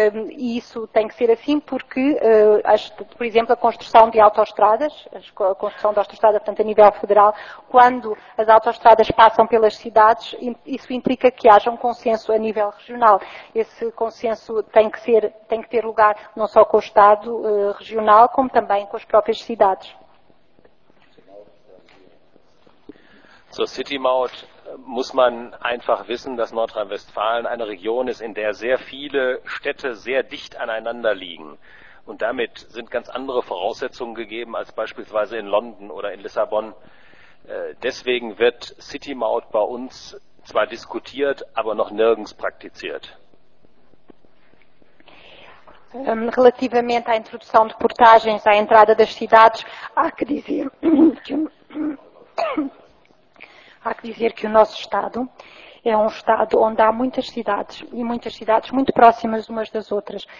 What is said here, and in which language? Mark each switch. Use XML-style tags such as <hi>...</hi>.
<pt>E isso tem que ser assim porque, por exemplo, a construção de autoestradas, a construção de autoestrada, portanto, a nível federal, quando as autoestradas passam pelas cidades, isso implica que haja um consenso a nível regional. Esse consenso tem que ter lugar não só com o Estado regional, como também com as próprias cidades.</pt> <de>Zur City-Maut muss man einfach wissen, dass Nordrhein-Westfalen eine Region ist, in der sehr viele Städte sehr dicht aneinander liegen. Und damit sind ganz andere Voraussetzungen gegeben als beispielsweise in London oder in Lissabon. Deswegen wird City-Maut bei uns zwar diskutiert, aber noch nirgends praktiziert.</de> <pt>Relativamente à introdução de portagens à entrada das cidades, há que dizer que o nosso Estado é um Estado onde há muitas cidades e muitas cidades muito próximas umas das outras.</pt>